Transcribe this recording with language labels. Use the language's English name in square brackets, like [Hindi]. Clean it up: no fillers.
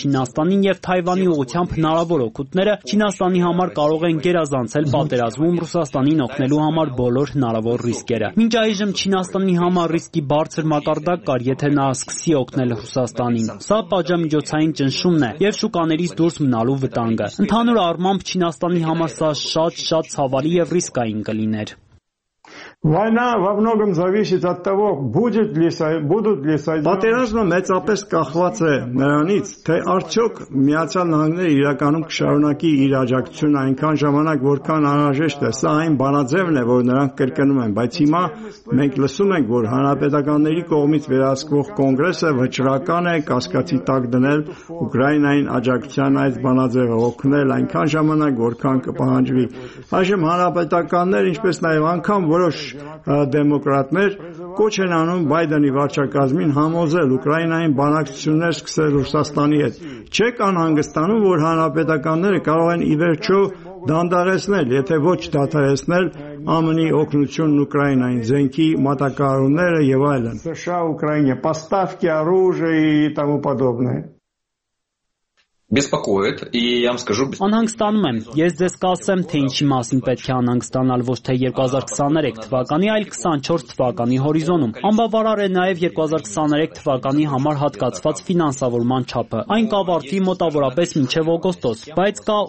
[Armenian] Չինաստանին, և Թայվանի ուղղությամբ հնարավոր օգուտները Չինաստանի համար կարող են գերազանցել պատերազմում Ռուսաստանին օգնելու համար բոլոր հնարավոր ռիսկերը։ Մինչ այժմ Չինաստանի համար ռիսկի բարձր մակարդակ կար, եթե նա սկսի օգնել Ռուսաստանին, սա պատժամիջոցային ճնշումն է և շուկաներից դուրս մնալու վտանգը։ Ընդհանուր առմամբ Չինաստանի համար սա շատ ցավալի և ռիսկային կլիներ։ [Russian] Война во многом зависит от того, будет ли будут ли Соединенные. [Armenian] Патеражно мецапес кахвац е нранից, թե արդյոք Միացյալ Նահանգները իրականում կշարունակի իր աջակցությունը այնքան ժամանակ, որքան անհրաժեշտ է։ Սա այն բանաձևն է, որ նրանք կրկնում են, բայց հիմա մենք լսում ենք, որ հանրապետականների կողմից վերահսկվող կոնգրեսը վճռական է կասկածի տակ դնել Ուկրաինային աջակցության այս բանաձևը, օգնել այնքան ժամանակ, որքան կպահանջվի։ Այժմ հանրապետականներ, ինչպես նաև անգամ որոշ դեմոկրատներ, կոչ են անում Բայդենի վարչակազմին համոզել Ուկրաինային բանակցություններ սկսել Ռուսաստանի հետ։ Չեք անհանգստանում, որ հանրապետականները կարող են ի վերջո դանդաղեցնել, եթե ոչ դադարեցնել ԱՄՆ-ի օգնությունն Ուկրաինային, զենքի մատակարարումները եւ այլն։ [Russian] США, Ուկրաինա, поставки оружия и тому подобное. Беспокоит, и я вам скажу. [Armenian] Անհանգստանում եմ։ Ես ձեզ կասեմ, թե ինչի մասին պետք է անհանգստանալ ոչ թե 2023 թվականի, այլ 24 թվականի հորիզոնում։ Անբավարար է նաև 2023 թվականի համար հատկացված ֆինանսավորման չափը։ Այն կավարտվի մոտավորապես մինչև օգոստոս, բայց կա